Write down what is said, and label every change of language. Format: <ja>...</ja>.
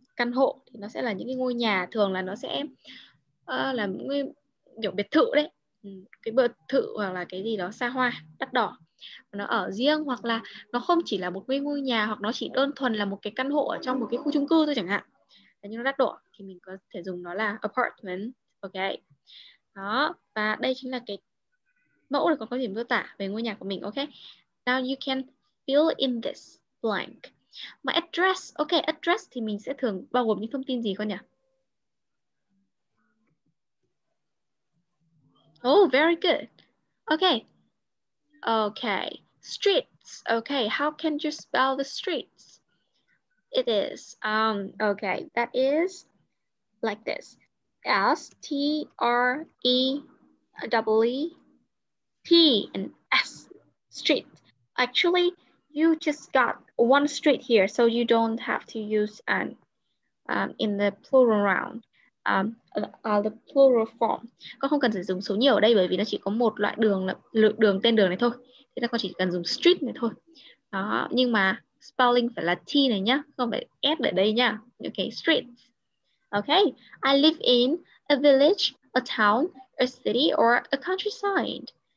<vi>căn hộ thì nó sẽ là những cái ngôi nhà, thường là nó sẽ là những cái kiểu biệt thự đấy, cái biệt thự hoặc là cái gì đó xa hoa đắt đỏ, nó ở riêng hoặc là nó không chỉ là một cái ngôi nhà, hoặc nó chỉ đơn thuần là một cái căn hộ ở trong một cái khu chung cư thôi chẳng hạn, nhưng nó đắt đỏ thì mình có thể dùng nó là apartment. Ok, đó, và đây chính là cái mẫu là có điểm mô tả về ngôi nhà của mình.</vi> <en>Ok, now you can fill in this blank.</en> <vi>Mà address, ok, address thì mình sẽ thường bao gồm những thông tin gì con nhỉ?</vi> <en>Oh, very good. Ok. Ok, streets. Ok, how can you spell the streets? It is, ok, that is like this. STREET and S, street. Actually, you just got one street here, so you don't have to use an in the plural round, the plural form.</en> <vi>Con không cần sử dụng số nhiều ở đây bởi vì nó chỉ có một loại đường là đường tên đường này thôi. Thế là con chỉ cần dùng street này thôi. Đó, nhưng mà spelling phải là T này nhá, không phải S ở đây nhá.</vi> <en>Okay, street. Okay, I live in a village, a town, a city, or a countryside.</en>